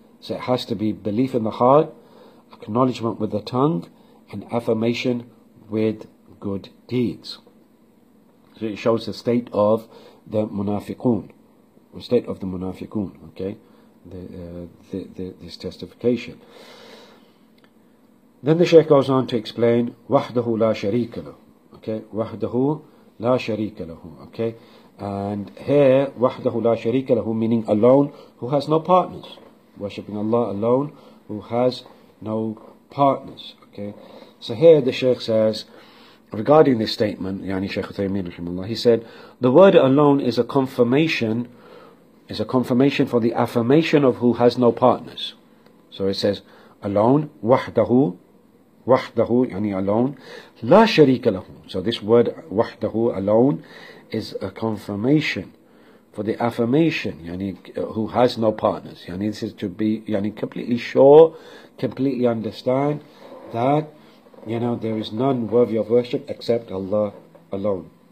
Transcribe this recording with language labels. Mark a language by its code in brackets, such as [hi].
[en] So it has to be belief in the heart, acknowledgement with the tongue, and affirmation with good deeds. So it shows the state of the munafiqun, the state of the munafiqun, okay? This testification. Then the Shaykh goes on to explain, [ar] وَحْدَهُ لَا شَرِيكَ لَهُ. Okay, وَحْدَهُ لَا شَرِيكَ لَهُ. [en] Okay, and here, [ar] وَحْدَهُ لَا شَرِيكَ لَهُ, [en] meaning alone, who has no partners. Worshipping Allah alone, who has no partners. Okay, so here the Shaykh says, regarding this statement, يعني Shaykh Uthaymeen rahimahullah, he said, the word alone is a confirmation, for the affirmation of who has no partners. So it says, alone, [ar] وَحْدَهُ, وَحْدَهُ, [en] يعني alone, [ar] لَا شَرِيكَ لَهُ. [en] So this word, وَحْدَهُ, alone, is a confirmation for the affirmation, يعني who has no partners. يعني this is to be, يعني completely sure, completely understand that, you know, there is none worthy of worship except Allah alone.